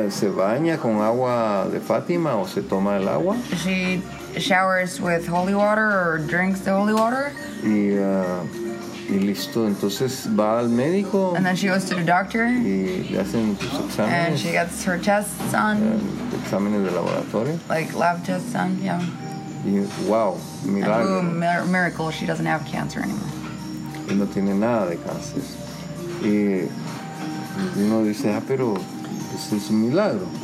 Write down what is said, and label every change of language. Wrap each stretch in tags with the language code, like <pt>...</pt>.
<es>se baña con agua de Fátima o se toma el agua.</es> <en>She showers with holy water or drinks the holy water.</en> <es>Y listo, entonces va al médico.</es> <en>And then she goes to the doctor.</en> <es>Y le hacen sus exámenes.</es> <en>And she gets her tests on.</en> <es>Exámenes de laboratorio.</es> <en>Like lab tests on, yeah.</en> <es>Y wow, milagro.</es> <en>And boom, miracle, she doesn't have cancer anymore.</en> <es>Y no tiene nada de cáncer. Y uno dice, ah, pero eso es un milagro.</es>